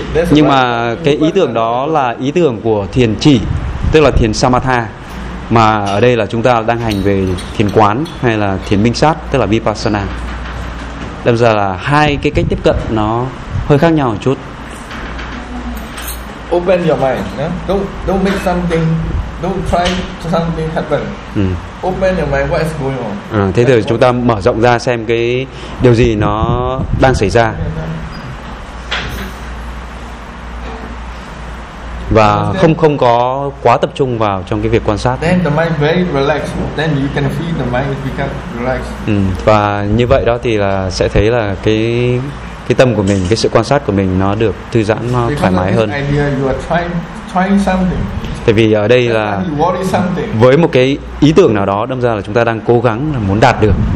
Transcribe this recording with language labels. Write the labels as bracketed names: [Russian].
[Vietnamese] Nhưng mà cái ý tưởng đó là ý tưởng của thiền chỉ, tức là thiền samatha, mà ở đây là chúng ta đang hành về thiền quán hay là thiền minh sát, tức là vipassana. Đâm ra là hai cái cách tiếp cận nó hơi khác nhau một chút. [English] Open your mind, don't make something, don't try something happen. Open your mind, what is going on? [Vietnamese] Thế thì chúng ta mở rộng ra xem cái điều gì nó đang xảy ra. Và không có quá tập trung vào trong cái việc quan sát. [English] Then the mind very relaxed. Then you can feel the mind become relaxed. [Vietnamese] Và như vậy đó thì là sẽ thấy là cái tâm của mình, cái sự quan sát của mình nó được thư giãn, nó thoải mái hơn. [English] Idea, you are trying something. [Vietnamese] Tại vì ở đây là [English] you worry something. [Vietnamese] Với một cái ý tưởng nào đó, đâm ra là chúng ta đang cố gắng là muốn đạt được.